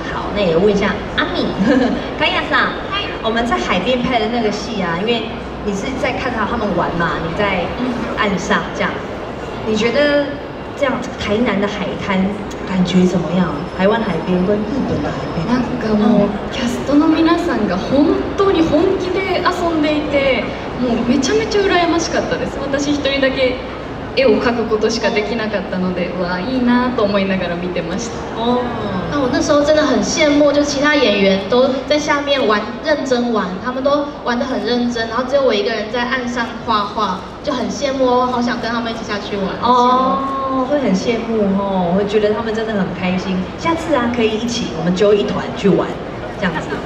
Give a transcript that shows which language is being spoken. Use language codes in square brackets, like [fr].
[zh] 好，那也问一下阿米，高亚桑，我们在海边拍的那个戏啊，因为你是在看到他们玩嘛，你在岸上这样，你觉得这样台南的海滩感觉怎么样？台湾海边跟日本的海边？ [ja] なんかもうキャストの皆さんが本当に本気で遊んでいて。もうめちゃめちゃ羨ましかったです。私一人だけ絵を描くことしかできなかったので、わあいいなと思いながら見てました。 [zh] 哦，那我那时候真的很羡慕，就其他演员都在下面玩，认真玩，他们都玩得很认真，然后只有我一个人在岸上画画，就很羡慕哦，好想跟他们一起下去玩。哦，会很羡慕哦，会觉得他们真的很开心。下次啊，可以一起，我们揪一团去玩，这样子。